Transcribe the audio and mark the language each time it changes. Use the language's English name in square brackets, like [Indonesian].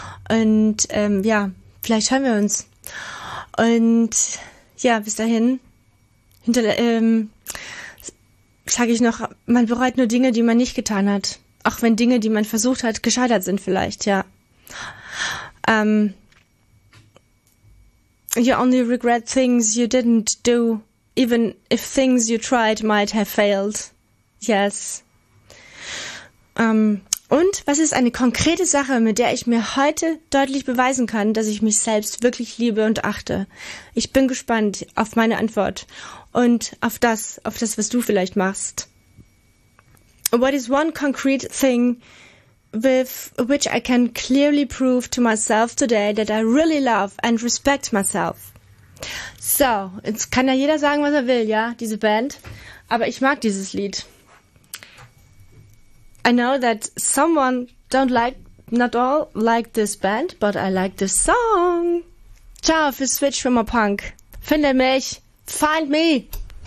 [German] Und ja, vielleicht hören wir uns. Und ja, bis dahin sage ich noch, man bereut nur Dinge, die man nicht getan hat. Auch wenn Dinge, die man versucht hat, gescheitert sind vielleicht, ja. [English] You only regret things you didn't do, even if things you tried might have failed. Yes. [German] Und was ist eine konkrete Sache, mit der ich mir heute deutlich beweisen kann, dass ich mich selbst wirklich liebe und achte? Ich bin gespannt auf meine Antwort und auf das, was du vielleicht machst. [English] What is one concrete thing with which I can clearly prove to myself today that I really love and respect myself? [German] So, jetzt kann ja jeder sagen, was er will, ja, diese Band. Aber ich mag dieses Lied. [English] I know that someone don't like, not all like this band, but I like this song. Ciao für Switch from a Punk. [German] Finde mich. [English] Find me.